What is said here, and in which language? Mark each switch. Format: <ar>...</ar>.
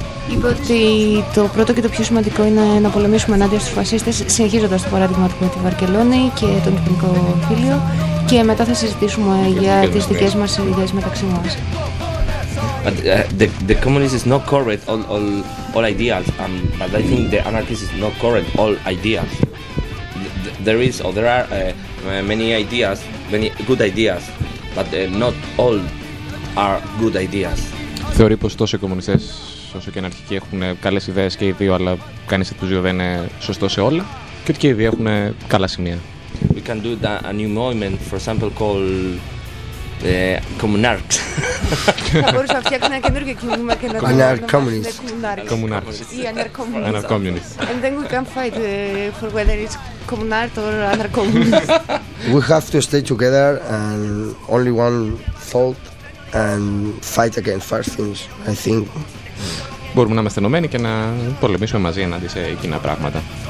<el>Είπε ότι το πρώτο και το πιο σημαντικό είναι να πολεμήσουμε ενάντια στους φασίστες, συνεχίζοντας το παράδειγμα του με τη Βαρκελόνη και τον Κοινωνικό Φίλιο, και μετά θα συζητήσουμε για τις δικές μας ιδέες μεταξύ μας.</el> <en>But the communists is not correct all ideas, but I think the anarchists is not correct all ideas. There are many ideas, many good ideas, but not all are good ideas.</en> <el>Θεωρεί πως τόσο οι κομμουνιστές όσο και οι αναρχικοί έχουν καλές ιδέες και οι δύο, αλλά κανείς από τους δύο δεν είναι σωστό σε όλα και ότι και οι δύο έχουν καλά σημεία.</el> <en>We can do that, a new movement, for example, called Communarch.</en> <el>Μπορείς να φτιάξεις ένα καινούργιο κίνημα και να το ονομάσεις Anarch Communist.</el> <en>Communarch.</en> <el>Ή</el> <en>Anarch Communist. And then we can fight for whether it's Communarch or Anarch Communist. We have to stay together and only one thought and fight against first things, I think.</en> <el>Μπορούμε να είμαστε ενωμένοι και να πολεμήσουμε μαζί ενάντια σε κοινά πράγματα.</el>